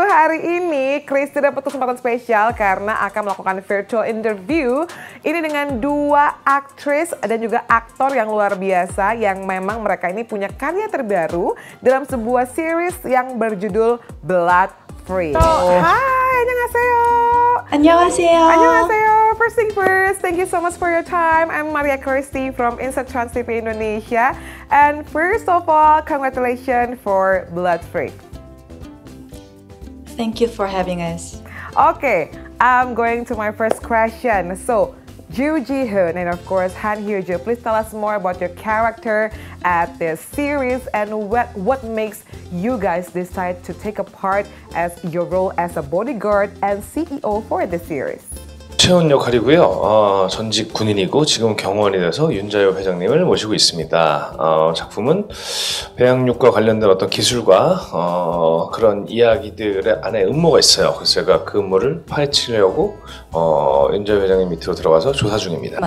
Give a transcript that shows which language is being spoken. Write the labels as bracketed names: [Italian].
[Indonesian] Hari ini Chris dapat kesempatan spesial karena akan melakukan virtual interview ini dengan dua aktris dan juga aktor yang luar biasa yang memang mereka ini punya karya terbaru dalam sebuah series yang berjudul Blood Free. [Korean] Hai, 안녕하세요. 안녕하세요. 안녕하세요. [English] First thing first, thank you so much for your time. I'm Maria Christy from Insert Trans TV Indonesia. And first of all, congratulations for Blood Free. Thank you for having us. Okay, I'm going to my first question. So, Joo Ji Hoon and of course Han Hyo Joo, please tell us more about your character at this series and what makes you guys decide to take a part as your role as a bodyguard and CEO for the series. [Korean] 최원 역할이고요. 전직 군인이고 지금 경호원이 돼서 윤자유 회장님을 모시고 있습니다. 작품은 배양육과 관련된 어떤 기술과 그런 이야기들 안에 음모가 있어요. 그래서 제가 그 음모를 파헤치려고 윤자유 회장님 밑으로 들어가서 조사 중입니다.